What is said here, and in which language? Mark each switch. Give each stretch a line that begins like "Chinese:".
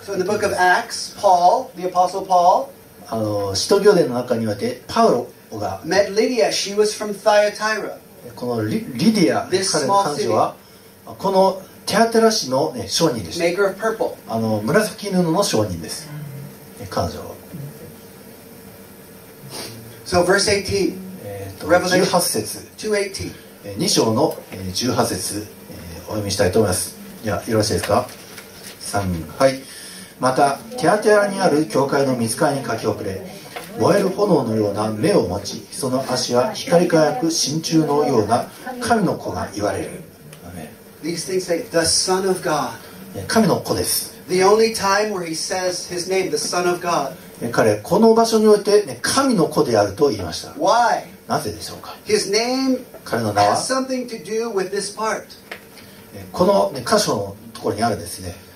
English: So in the book of Acts, Paul, the apostle Paul,
Japanese: 使徒行伝の中にはパウロが
English: met Lydia. She was from Thyatira.
Japanese: この リディア、彼の彼女はこのテアテラ市の、ね、商人です。
English: Maker of purple.
Japanese: 紫布の商人です。彼女は。
English: So verse
Japanese: 18. 18節。 2章の18節、お読みしたいと思います。いや、よろしいですか。はい。またテアテラにある教会の御使いに書き送れ。燃える炎のような目を持ち、その足は光り輝く真鍮のような神の子が言われる。
English: These things say the Son of God.
Japanese: 神の子です。
English: The only time where he says his name, the Son of God.
Japanese: 彼この場所において、ね、神の子であると言いました。
English: Why?
Japanese: なぜでしょうか。
English: His name
Japanese: 彼の名は
English: has something to do with this part.
Japanese: この、ね、箇所のところにあるですね。